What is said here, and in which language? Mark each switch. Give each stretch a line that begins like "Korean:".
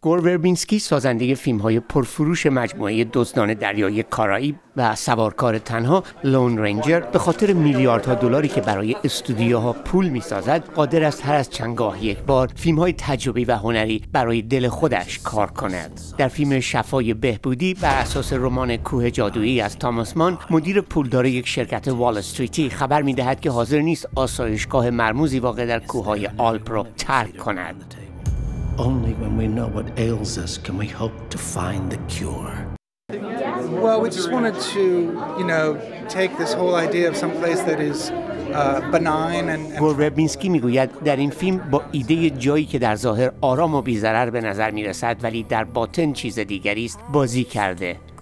Persian: گور وربینسکی سازنده فیلم‌های پرفروش مجموعه دزدان دریای کارائیب و سوارکار تنها لون رنجر به خاطر میلیاردها دلاری که برای استودیوها پول می‌سازد قادر است هر از چندگاه یک بار فیلم‌های تجربی و هنری برای دل خودش کار کند. در فیلم شفای بهبودی بر اساس رمان کوه جادویی از تاماس مان، مدیر پولدار یک شرکت وال استریتی خبر می‌دهد که حاضر نیست آسایش کوه مرموزی واقع در کوههای آلپ رو ترک کند.
English: Only when we know what ails us can we hope to find the cure. Well, we just wanted to, you know, take this whole idea of some place that is benign and
Persian: گور وربینسکی میگوید در این فیلم با ایده جایی که در ظاهر آرام و بی‌ضرر به نظر می‌رسد ولی در باطن چیز دیگری است بازی کرده.